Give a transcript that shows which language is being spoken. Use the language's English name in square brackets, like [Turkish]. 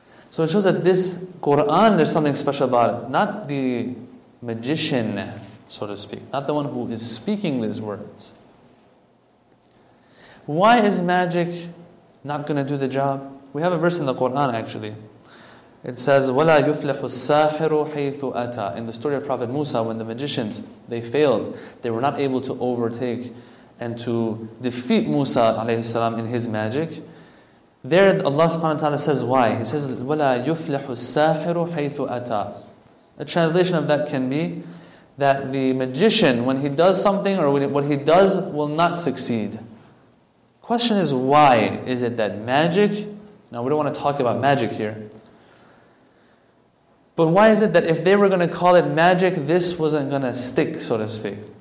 [English] So it shows that this Quran, there's something special about it. Not the magician, so to speak. Not the one who is speaking these words. Why is magic not going to do the job? We have a verse in the Quran actually. It says, [Arabic] وَلَا يُفْلِحُ السَّاحِرُ حَيْثُ أَتَى. [English] In the story of Prophet Musa, when the magicians, they failed. They were not able to overtake and to defeat Musa alayhi salam in his magic. There Allah subhanahu wa ta'ala says why. He says, [Arabic] وَلَا يُفْلِحُ السَّاحِرُ حَيْثُ أَتَى. [English] A translation of that can be that the magician, when he does something or what he does, will not succeed. Question is, why is it that magic, now we don't want to talk about magic here, but why is it that if they were going to call it magic, this wasn't going to stick, so to speak?